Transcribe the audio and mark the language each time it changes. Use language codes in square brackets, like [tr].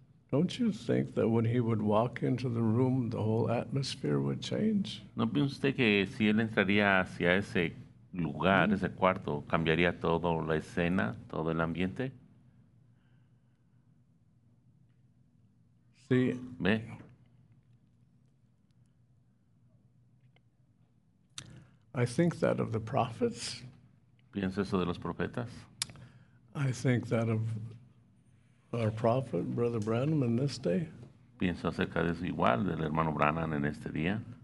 [en] Don't you think that when he would walk into the room, the whole atmosphere would change? [es] ¿No piensa usted que si él entraría hacia ese lugar, ese cuarto, cambiaría toda la escena, todo el ambiente? Sí. ¿Ve? [en] I think that of the prophets. [es] ¿Piensa eso de los profetas? [en] I think that of our prophet, Brother Branham, in this day. [es] Pienso acerca de eso igual, del hermano Branham en este día.